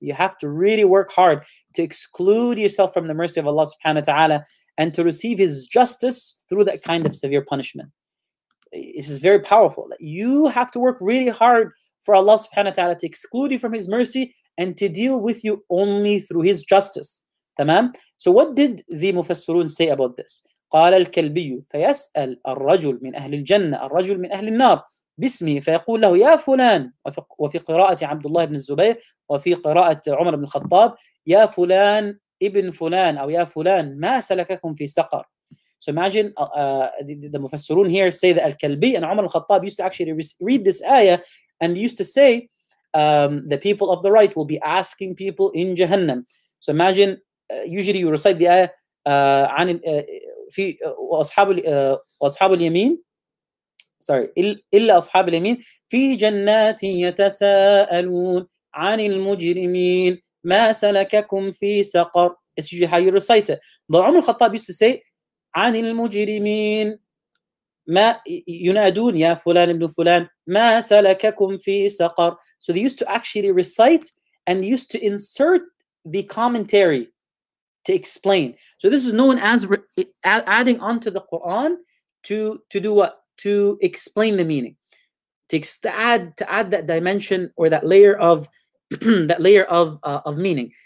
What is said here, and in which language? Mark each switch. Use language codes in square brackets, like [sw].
[en] You have to really work hard to exclude yourself from the mercy of Allah subhanahu wa ta'ala and to receive His justice through that kind of severe punishment. This is very powerful. You have to work really hard for Allah subhanahu wa ta'ala to exclude you from His mercy and to deal with you only through His justice. Tamam? So what did the Mufassirun say about this? [ar] قال الكلبي فيسأل الرجل من أهل الجنة الرجل من أهل النار باسمه فيقول له يا فلان وفي قراءة عبد الله بن الزبير وفي قراءة عمر بن الخطاب يا فلان ابن فلان أو يا فلان ما سلككم في سقر. [en] So imagine the Mufassirun here say that الكلبي and عمر الخطاب used to actually read this ayah and used to say the people of the right will be asking people in Jahannam. So imagine usually you recite the ayah [ar] عن في أصحاب اليمين إلا أصحاب اليمين في جنات يتساءلون عن المجرمين ما سلككم في سقر. [en] It's usually how you recite it. But عمر الخطاب used to say [ar] عن المجرمين ما ينادون يا فلان ابن فلان ما سلككم في سقر. [en] So they used to actually recite and used to insert the commentary to explain. So this is known as adding onto the Quran to do what? To explain the meaning. To add that dimension or that layer of of meaning.